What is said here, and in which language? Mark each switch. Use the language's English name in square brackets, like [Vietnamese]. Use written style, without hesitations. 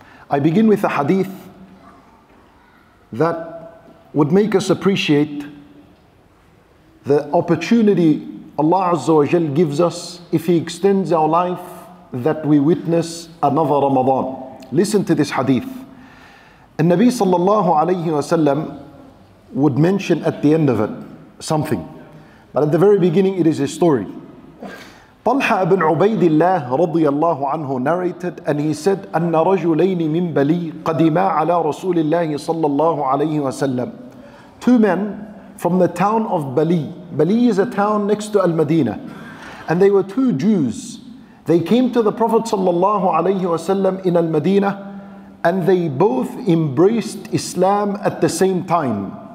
[English] I begin with a hadith that would make us appreciate the opportunity Allah Azza wa Jal gives us if He extends our life that we witness another Ramadan. Listen to this hadith. And Nabi sallallahu alayhi wa sallam would mention at the end of it something. But at the very beginning it is a story. Talha ibn Ubaidillah radiyallahu anhu narrated, and he said, [Arabic] أَنَّ رَجُلَيْنِ مِنْ بَلِي قَدِمَا عَلَىٰ رَسُولِ اللَّهِ صَلَّى اللَّهُ عَلَيْهِ وَسَلَّمْ. [English] Two men from the town of Bali. Bali is a town next to Al-Madina. And they were two Jews. They came to the Prophet sallallahu alayhi wasallam in Al-Madina, and they both embraced Islam at the same time.